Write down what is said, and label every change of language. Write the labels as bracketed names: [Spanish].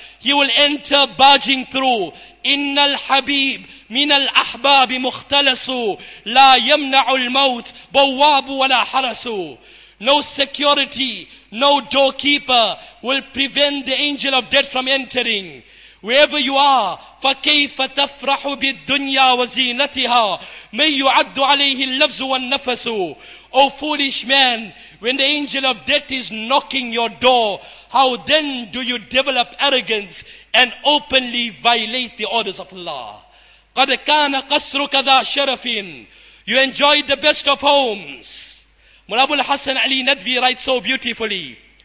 [English] He will enter barging through. [Arabic] إِنَّ الْحَبِيبِ مِنَ الْأَحْبَابِ مُخْتَلَسُ لَا يَمْنَعُ الْمَوْتِ بَوَّابُ وَلَا حَرَسُ. [English] No security, no doorkeeper will prevent the angel of death from entering. Wherever you are, [Arabic] فَكَيْفَ تَفْرَحُ بِالدُّنْيَا وَزِينَتِهَا مَنْ يُعَدُّ عَلَيْهِ اللَّفْزُ وَالنَّفَسُ. [English] O foolish man, when the angel of death is knocking your door, how then do you develop arrogance and openly violate the orders of Allah? [Arabic] قَدْ كَانَ قَصْرُكَ ذَا شَرَفٍ. [English] You enjoyed the best of homes. Mullah Abul Hasan Ali Nadvi writes so beautifully.